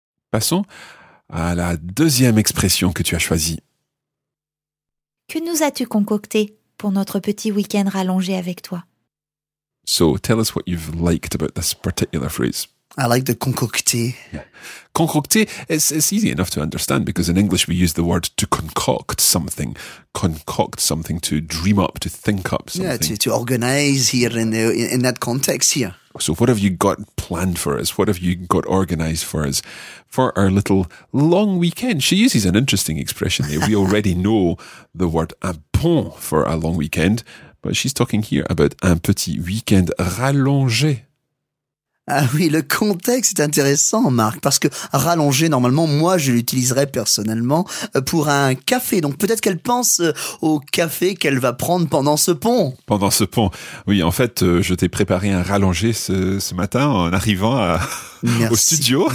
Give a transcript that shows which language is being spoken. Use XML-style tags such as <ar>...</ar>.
<fr>Passons à la deuxième expression que tu as choisie. Que nous as-tu concocté pour notre petit week-end rallongé avec toi?</fr> <en>So, tell us what you've liked about this particular phrase. I like the concocté. Yeah. Concocté, it's easy enough to understand because in English we use the word to concoct something, to dream up, to think up something. Yeah, to organize here in that context here. So, what have you got planned for us? What have you got organized for us for our little long weekend? She uses an interesting expression there. We already know the word un bon for a long weekend. But she's talking here about</en> <fr>un petit week-end rallongé. Ah oui, le contexte est intéressant, Marc, parce que rallongé, normalement, moi, je l'utiliserais personnellement pour un café. Donc peut-être qu'elle pense au café qu'elle va prendre pendant ce pont. Pendant ce pont. Oui, en fait, je t'ai préparé un rallongé ce matin en arrivant au studio.</fr>